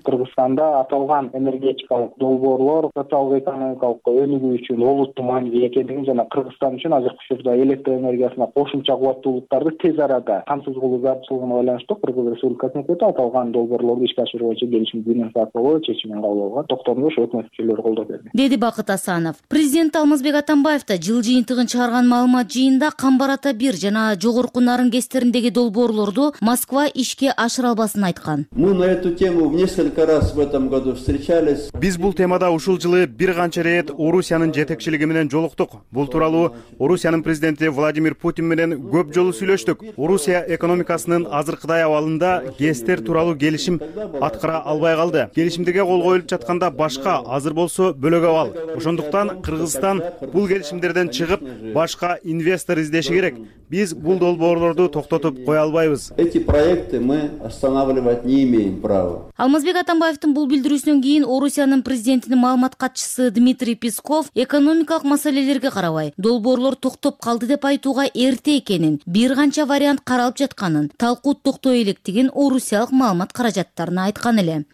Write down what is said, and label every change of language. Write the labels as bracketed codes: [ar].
[ky] Кыргызстанда аталган энергетикалык долбоорлор социалдык экономикалык өнүгүү үчүн олуттуу маанилүү экендигин жана Кыргызстан үчүн азыркы учурда электр энергиясына кошумча кубаттуулуктарды тез арада камсыз кылуу зарылчылыгын ойлоп Кыргыз Республикасынын өкмөтү аталган долбоорлорду ишке ашыруу боюнча келишимди денонсациялоо чечимин кабыл алган токтомду ошо өкмөт мүчөлөрү колдоп берди, деди Бакыт Асанов. Президент Алмазбек Атамбаев да жыл жыйынтыгын чыгарган маалымат жыйында камбар ата бир жана жогорку нарын гестериндеги долбоорлорду Москва ишке ашыра албасын айткан. [ru] Мы на эту тему в несколько раз в этом году встречались. [ky] Биз бул темада ушул жылы бир канча ирет Орусиянын жетекчилиги менен жолуктук. Бул тууралуу Орусиянын президенти Владимир Путин менен көп жолу сүйлөштүк. Орусия экономикасынын азыр Кытай абалында гестер тууралуу келишим аткара албай калды. Келишимдерге кол коюлуп жатканда башка, азыр болсо бөлөк абал. Ошондуктан Кыргызстан бул келишимдерден чыгып башка инвестор издеши керек. Биз бул долбоорлорду токтотуп кое албайбыз. [ru] Эти проекты мы останавливать не имеем права. [ky] Алмазбек Атамбаевдин бул билдирүүсүнөн кийин Орусиянын президентинин маалымат катчысы Дмитрий Песков экономикалык маселелерге карабай, долбоорлор токтоп калды деп айтууга эрте экенин, бир канча вариант каралып жатканын, талкуу токтой электигин орусиялык маалымат каражаттарына айткан эле.